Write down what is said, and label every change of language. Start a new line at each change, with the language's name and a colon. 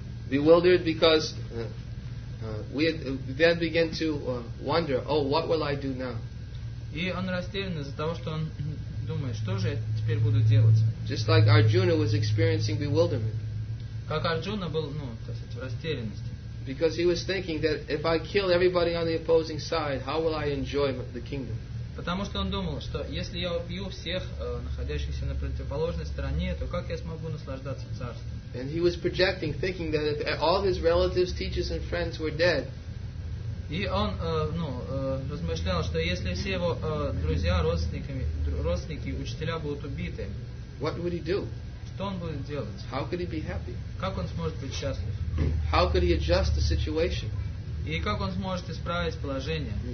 English: bewildered because we then begin to wonder, oh, what will I do now?
Russian: И он растерян из-за того, что он думает, что же я теперь буду делать?
English: Just like Arjuna was experiencing bewilderment.
Russian: Как Арджуна был, в растерянности.
English: Because he was thinking that if I kill everybody on the opposing side, how will I enjoy the kingdom?
Russian: Потому что он думал, что если я убью всех находящихся на противоположной стороне, то как я смогу наслаждаться царством?
English: And he was projecting, thinking that if all his relatives, teachers, and friends were dead.
Russian: И он, размышлял, что если все его друзья, родственники, учителя будут убиты,
English: what would he do?
Russian: Что он будет делать?
English: How could he be happy?
Russian: Как он сможет быть счастлив?
English: How could he adjust the situation?
Russian: И как он сможет исправить положение?